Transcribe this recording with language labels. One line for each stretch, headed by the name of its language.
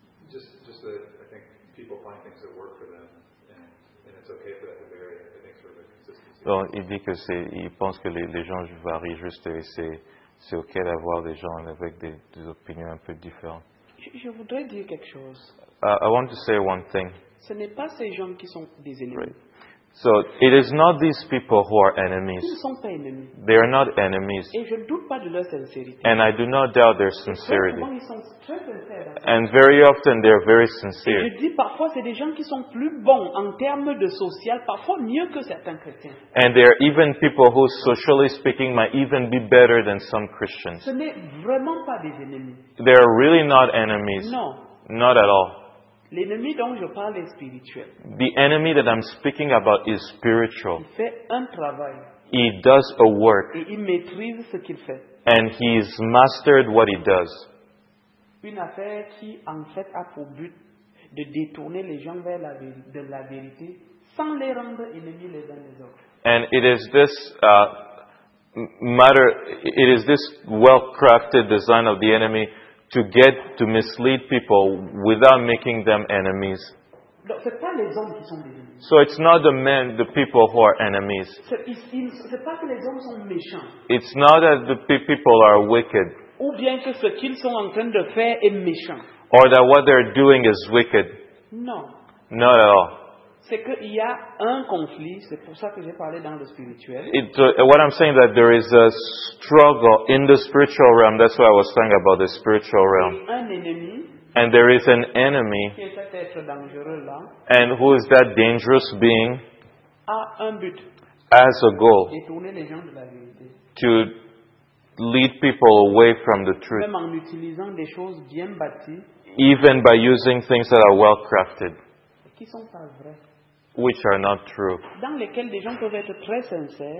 English: Just that I think people find things that work for them, and it's okay for that to vary, I think sort of a consistency.
French: Donc, il dit que c'est, il pense que les gens varient juste, et c'est ok d'avoir des gens avec des opinions un peu différentes. Je voudrais dire quelque chose.
English: I want to say one thing.
French: Ce n'est pas ces gens qui sont des ennemis.
English: Right. So it is not these people who are enemies.
French: Ils ne sont pas ennemis.
English: They are not enemies.
French: Et je ne doute pas de leur sincérité.
English: And I do not doubt their sincerity.
French: Et très souvent, ils sont très sincères.
English: And very often they are very sincere.
French: Et je dis parfois c'est des gens qui sont plus bons en termes de social, parfois mieux que certains chrétiens.
English: And there are even people who, socially speaking, might even be better than some Christians.
French: Ce n'est vraiment pas des ennemis.
English: They are really not enemies.
French: Non.
English: Not at all.
French: L'ennemi dont je parle est spirituel.
English: The enemy that I'm speaking about is spiritual.
French: Il fait un travail.
English: He does a work.
French: Et il maîtrise ce qu'il fait.
English: And he has mastered what he does.
French: Une affaire qui en fait a pour but de détourner les gens vers la vérité sans les rendre ennemis les uns les autres.
English: And it is this matter, it is this well-crafted design of the enemy to mislead people without making them enemies.
French: Donc, c'est pas les hommes qui sont des ennemis.
English: So it's not the men, the people who are enemies.
French: C'est pas que les hommes sont méchants.
English: It's not that the people are wicked.
French: Ou bien que ce qu'ils sont en train de faire est méchant.
English: Or that what they're doing is wicked.
French: Non.
English: Not at all.
French: C'est qu'il y a un conflit, c'est pour ça que j'ai parlé dans le spirituel.
English: What I'm saying is that there is a struggle in the spiritual realm. That's what I was saying about the spiritual realm.
French: Et un ennemi.
English: And there is an enemy.
French: Qui est cet être dangereux là.
English: And who is that dangerous being?
French: A un but.
English: Has a goal.
French: Détourner les gens de la vérité.
English: To lead people away from the truth.
French: Même en utilisant des choses bien bâties.
English: Even by using things that are well crafted.
French: Qui sont pas vrais.
English: Which are not true.
French: Dans lesquels des gens peuvent être très sincères.